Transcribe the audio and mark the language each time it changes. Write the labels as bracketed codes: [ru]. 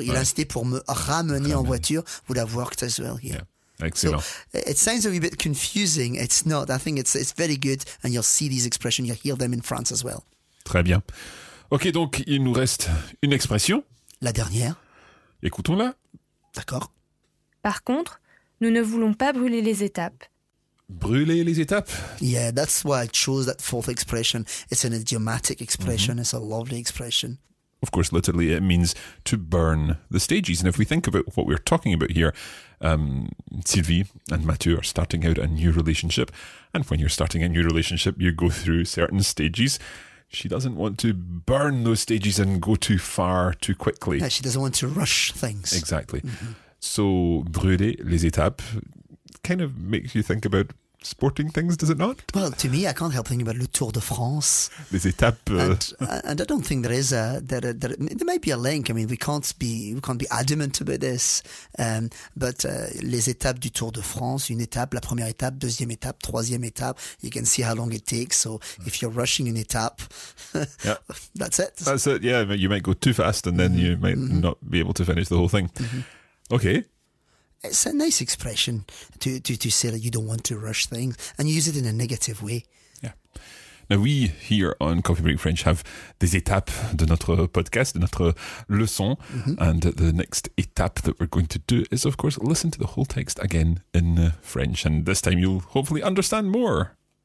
[fr] Il a insisté pour me ramener en voiture. [en] Would have worked as well here. Yeah. Excellent. So it sounds a wee bit confusing. It's not. I think it's very good. And you'll see these expressions, you'll hear them in France as well. [fr] Très bien. Ok, donc il nous reste une expression. La dernière. Écoutons-la. D'accord. Par contre, nous ne voulons pas brûler les étapes. Brûler les étapes? [en] Yeah, that's why I chose that fourth expression. It's an idiomatic expression. Mm-hmm. It's a lovely expression. Of course, literally, it means to burn the stages. And if we think about what we're talking about here, Sylvie and Mathieu are starting out a new relationship. And when you're starting a new relationship, you go through certain stages. She doesn't want to burn those stages and go too far too quickly. Yeah, she doesn't want to rush things. Exactly. Mm-hmm. So, [fr] brûler les étapes [en] kind of makes you think about sporting things, does it not? Well, to me, I can't help thinking about le Tour de France. [fr] Les étapes. [en] And I don't think there is there might be a link. I mean, we can't be adamant about this. [fr] Les étapes du Tour de France, une étape, la première étape, deuxième étape, troisième étape, [en] you can see how long it takes. So, if you're rushing [fr] une étape, [en] that's it. That's it, yeah. You might go too fast and then you might not be able to finish the whole thing. Mm-hmm. Okay. It's a nice expression to say that you don't want to rush things, and you use it in a negative way. Yeah. Now, we here on Coffee Break French have [fr] des étapes de notre podcast, de notre leçon, [en] and the next étape that we're going to do is, of course, listen to the whole text again in French, and this time you'll hopefully understand more.